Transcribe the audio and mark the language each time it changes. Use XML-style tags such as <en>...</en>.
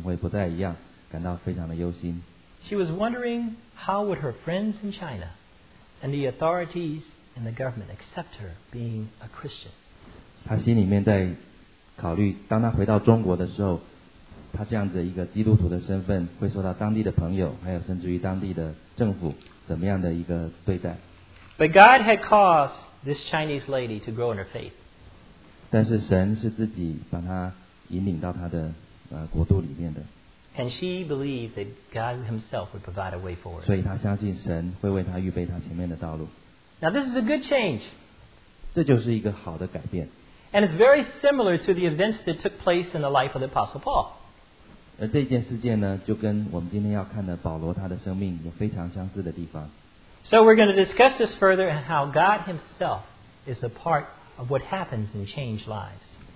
<zh>当我的妻子感到非常的惊讶的时候，她也发现了这个朋友对于她即将要回到中国有很多事情会不再一样，感到非常的忧心。</zh> <en>She was wondering how would her friends in China and the authorities and the government accept her being a Christian.</en> <zh>她心里面在考虑，当她回到中国的时候，她这样的一个基督徒的身份会受到当地的朋友，还有甚至于当地的政府怎么样的一个对待。</zh> <en>But God had caused this Chinese lady to grow in her faith.</en> <zh>但是神是自己把她引领到她的国度里面的。</zh> <en>And she believed that God himself would provide a way forward.</en> <zh>所以她相信神会为她预备她前面的道路。</zh> <en>Now this is a good change.</en> <zh>这就是一个好的改变。</zh> <en>And it's very similar to the events that took place in the life of the Apostle Paul.</en> <zh>而这件事件呢，就跟我们今天要看的保罗他的生命有非常相似的地方。</zh> <en>So we're going to discuss this further and how God himself is a part of what happens in changed lives.</en>